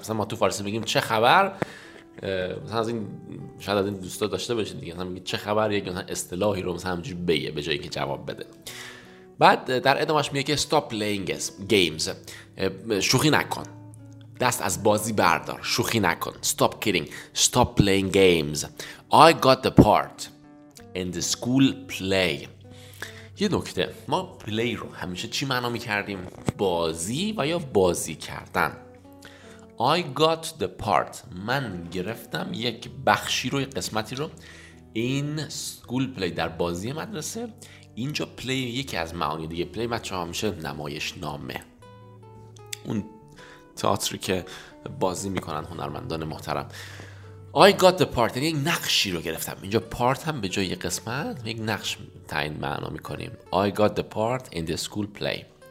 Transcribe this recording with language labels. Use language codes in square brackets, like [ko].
[fa] مثلا ما تو فارسی میگیم چه خبر، مثلا از این شاید از این دوستا داشته باشید دیگه، مثلا میگه چه خبر، یک مثلا اصطلاحی رو مثلا همینجوری بگه به جای اینکه جواب بده. بعد در ادامهش میگه که [en] stop playing games، [fa] شوخی نکن، دست از بازی بردار، شوخی نکن. [en] Stop kidding. Stop playing games. I got the part in the school play. [fa] یه نکته، ما پلی رو همیشه چی معنا می‌کردیم؟ بازی و یا بازی کردن. [en] I got the part. [fa] من گرفتم یک بخشی رو، یک قسمتی رو [en] in school play، [fa] در بازی مدرسه. اینجا پلی یکی از معانی دیگه پلی بچه‌ها میشه نمایش نامه، اون تئاتری که بازی می‌کنن هنرمندان محترم. [en] I got the part، [fa] یعنی یک نقشی رو گرفتم. اینجا part هم به جای یک قسمت یک نقش تعیین معنا میکنیم. [en] I got the part in the school play.